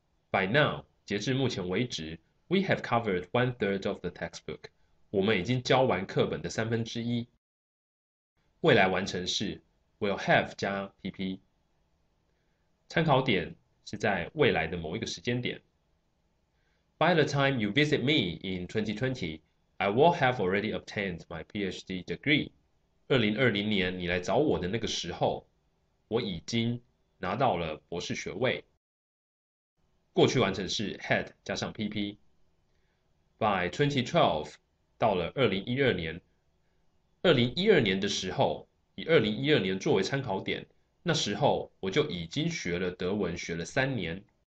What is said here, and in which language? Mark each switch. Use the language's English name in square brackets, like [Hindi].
[English] By now, [Chinese] 截至目前为止， [English] we have covered one third of the textbook. [Chinese] 我们已经教完课本的三分之一。未来完成式 will have 加 PP。参考点是在未来的某一个时间点。 [English] By the time you visit me in 2020, I will have already obtained my PhD degree. [Chinese] 2020年你来找我的那个时候，我已经拿到了博士学位。过去完成式 had 加上 PP。By 2012，到了2012年，2012年的时候，以2012年作为参考点，那时候我就已经学了德文，学了3年。